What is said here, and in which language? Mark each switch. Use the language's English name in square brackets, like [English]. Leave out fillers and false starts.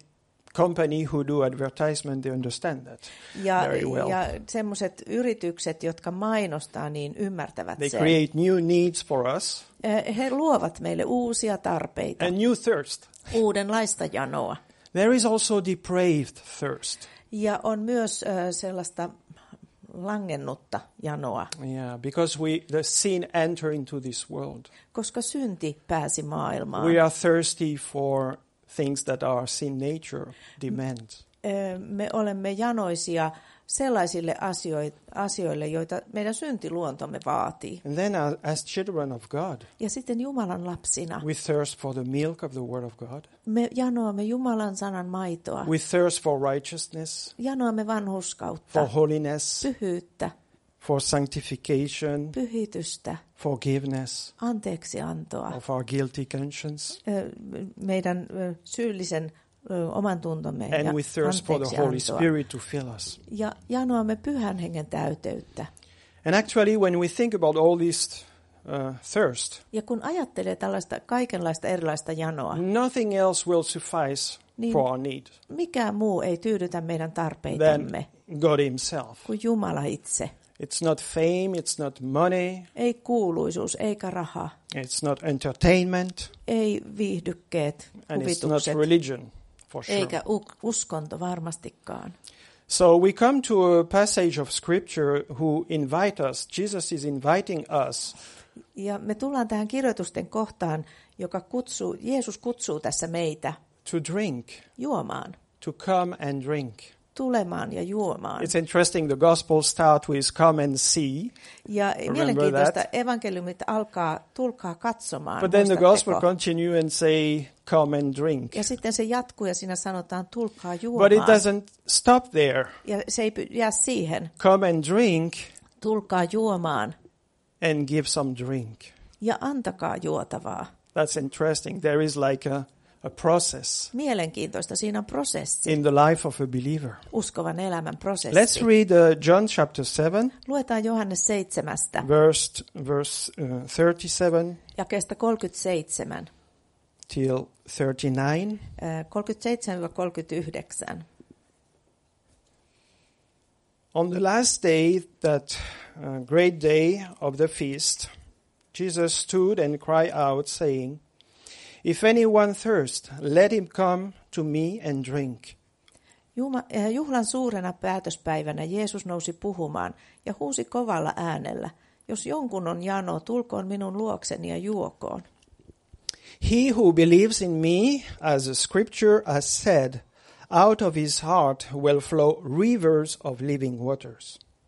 [English] And company who do advertisement, they understand that [Finnish] ja, [English] very well. [Finnish] Ja semmoiset yritykset, jotka mainostaa, niin ymmärtävät [English] they [Finnish] sen. [English] They create new needs for us. [Finnish] He luovat meille uusia tarpeita. [English] And new thirst. [Finnish] Uudenlaista janoa. [English] There is also depraved thirst. [Finnish] Ja on myös sellaista langennutta janoa. [English] Yeah, because the sin enter into this world. [Finnish] Koska synti pääsi maailmaan. [English] We are thirsty for things that our sin nature demands. [Finnish] Me olemme janoisia sellaisille asioille, joita meidän syntiluontomme vaatii. [English] And then as children of God. [Finnish] Ja sitten Jumalan lapsina. [English] We thirst for the milk of the word of God. [Finnish] Me janoamme Jumalan sanan maitoa. [English] We thirst for righteousness. [Finnish] Janoamme vanhurskautta. [English] For holiness. [Finnish] Pyhyyttä. [English] For sanctification. [Finnish] Pyhitystä. [English] Forgiveness. [Finnish] Anteeksiantoa. [English] Of our guilty conscience. [Finnish] Meidän syyllisen oman tuntomme [English] and [Finnish] ja [English] we thirst for the Holy Spirit to fill us. [Finnish] Ja janoamme Pyhän Hengen täyteyttä. [English] And actually when we think about all this thirst. [Finnish] Ja kun ajattelee tällaista kaikenlaista erilaista janoa. [English] Nothing else will suffice [Finnish] niin [English] for our need. [Finnish] Mikään muu ei tyydytä meidän tarpeitamme. [English] Than God himself. [Finnish] Kuin Jumala itse. [English] It's not fame, it's not money. [Finnish] Ei kuuluisuus, eikä raha. [English] It's not entertainment. [Finnish] Ei viihdykkeet, [English] and [Finnish] kuvitukset. [English] It's not religion, for sure. [Finnish] Eikä uskonto varmastikaan. [English] So we come to a passage of scripture who invite us. Jesus is inviting us. [Finnish] Ja me tullaan tähän kirjoitusten kohtaan, joka kutsuu, Jeesus kutsuu tässä meitä. [English] To drink. [Finnish] Juomaan. [English] To come and drink. [Finnish] Tulemaan ja juomaan. [English] It's interesting the gospel start with come and see. [Finnish] Ja mielenkiintoista evankeliumit alkaa tulkaa katsomaan. [English] But then the gospel continue and say come and drink. [Finnish] Ja sitten se jatkuu ja siinä sanotaan tulkaa juomaan. [English] But it doesn't stop there. [Finnish] Ja se ei jää siihen. [English] Come and drink. [Finnish] Tulkaa juomaan. [English] And give some drink. [Finnish] Ja antakaa juotavaa. [English] That's interesting. There is like a process. [Finnish] Mielenkiintoista, siinä on prosessi. [English] In the life of a believer. [Finnish] Uskovan elämän prosessi. [English] Let's read John chapter 7. [Finnish] Luetaan Johannes 7:stä. [English] Verse 37. [Finnish] Jakeesta 37. [English] Till 39. [Finnish] 37-39. [English] On the last day, that great day of the feast, Jesus stood and cried out, saying, if anyone thirst, let him come to me and drink. [Finnish] Juhlan suurena päätöspäivänä Jeesus nousi puhumaan ja huusi kovalla äänellä, jos jonkun on jano, tulkoon minun luokseni ja juokoon. [English] He who believes in me, as the scripture has said, out of his heart will flow rivers of living waters.